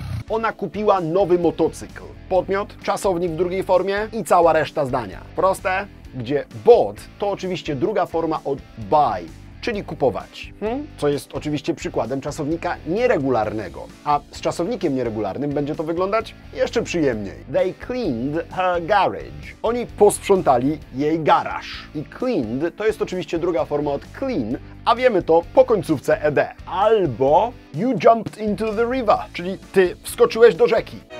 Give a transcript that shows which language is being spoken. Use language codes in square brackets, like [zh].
[pl] Ona kupiła nowy motocykl. Podmiot, czasownik w drugiej formie i cała reszta zdania. Proste? Gdzie bought to oczywiście druga forma od buy, czyli kupować. Co jest oczywiście przykładem czasownika nieregularnego. A z czasownikiem nieregularnym będzie to wyglądać jeszcze przyjemniej. [en] They cleaned her garage. [pl] Oni posprzątali jej garaż. I cleaned to jest oczywiście druga forma od clean, a wiemy to po końcówce ed. Albo [en] you jumped into the river, [pl] czyli ty wskoczyłeś do rzeki.